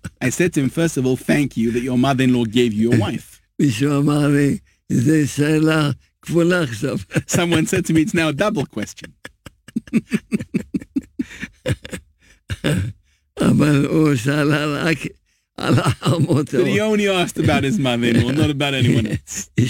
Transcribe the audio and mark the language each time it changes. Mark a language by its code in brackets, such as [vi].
[en] I said to him, first of all, thank you that your mother-in-law gave you a wife. [he] מישהו אמר לי, זה שאלה כפולה עכשיו. [en] Someone said to me, it's now a double question. [he] אבל הוא שאלה רק על החמות. [en] But he only asked about his mother-in-law, not about anyone else.